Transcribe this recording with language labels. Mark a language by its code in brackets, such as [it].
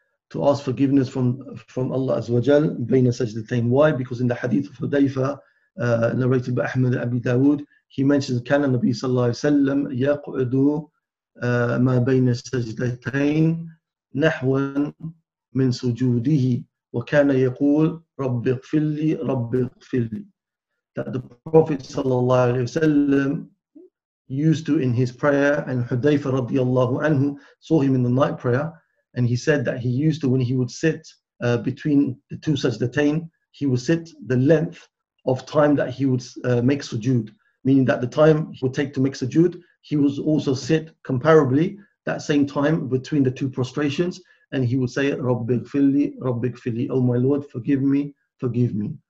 [en] To ask forgiveness from Allah Azza wa Jal, [ar] بَيْنَ سَجْدَتَيْنِ. [en] Why? Because in the hadith of Hudayfa, narrated by Ahmad Abi Dawood, he mentions, [ar] كَانَ النَّبِي صَلَّى اللَّهِ وَسَلَّمْ يَقْعُدُ مَا بَيْنَ سَجْدَتَيْنِ نَحْوًا مِنْ سُجُودِهِ وَكَانَ يَقُولُ رَبِّ اغْفِرْ لِي رَبِّ اغْفِرْ لِي. [en] That the Prophet sallallahu alayhi wa sallam used to in his prayer, and Hudayfa radiallahu anhu saw him in the night prayer, and he said that he used to, when he would sit between the two sajdatain, he would sit the length of time that he would make sujood, meaning that the time he would take to make sujood, he would also sit comparably that same time between the two prostrations, and he would say, Rabbi gfirli, oh my Lord, forgive me, forgive me.